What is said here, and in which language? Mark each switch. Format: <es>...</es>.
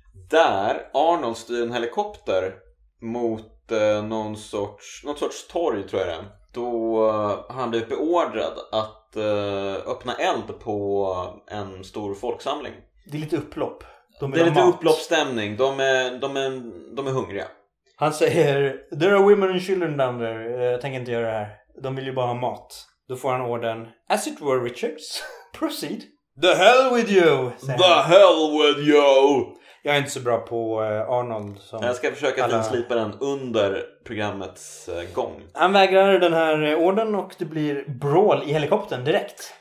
<sv>Där Arnold styr en helikopter mot någon sorts torg, tror jag det. Då har han blivit beordrad att öppna eld på en stor folksamling. Det är lite upplopp. Det är lite upploppsstämning. De är hungriga. Han säger,</sv> <en>there are women and children down there.</en> <sv>Jag tänker inte göra det här. De vill ju bara ha mat. Då får han orden,</sv> <en>as it were, Richards, proceed. The hell with you! The hell with you!</en> <sv>Jag är inte så bra på Arnold. Som jag ska försöka att alla... slipa den under programmets gång. Han vägrar den här orden och det blir brawl i helikoptern direkt.</sv>